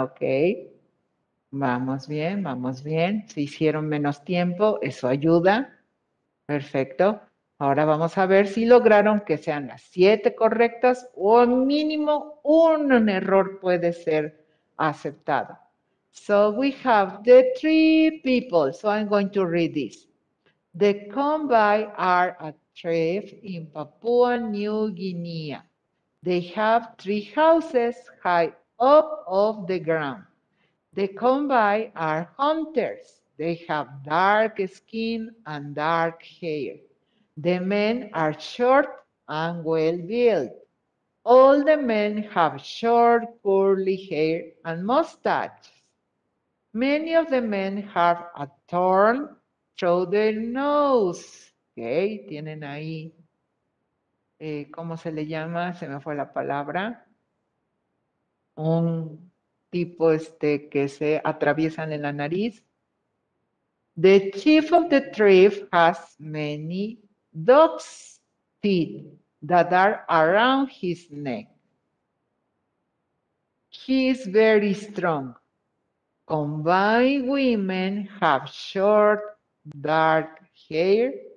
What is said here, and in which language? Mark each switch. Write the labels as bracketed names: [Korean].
[Spanish] Okay. Vamos bien, vamos bien. Se hicieron menos tiempo, eso ayuda. Perfecto. Ahora vamos a ver si lograron que sean las 7 correctas o mínimo un error puede ser aceptado. [English] So we have the three people. So I'm going to read this. The Kombai are a tribe in Papua New Guinea. They have three houses high up off the ground. The Kombai are hunters. They have dark skin and dark hair. The men are short and well-built. All the men have short, curly hair and mustaches. Many of the men have a thorn through their nose. [Spanish] Okay, tienen ahí, ¿cómo se le llama? Se me fue la palabra. Un tipo que se atraviesan en la nariz. [English] The chief of the tribe has many dog's teeth that are around his neck. He is very strong. Combined women have short, dark hair.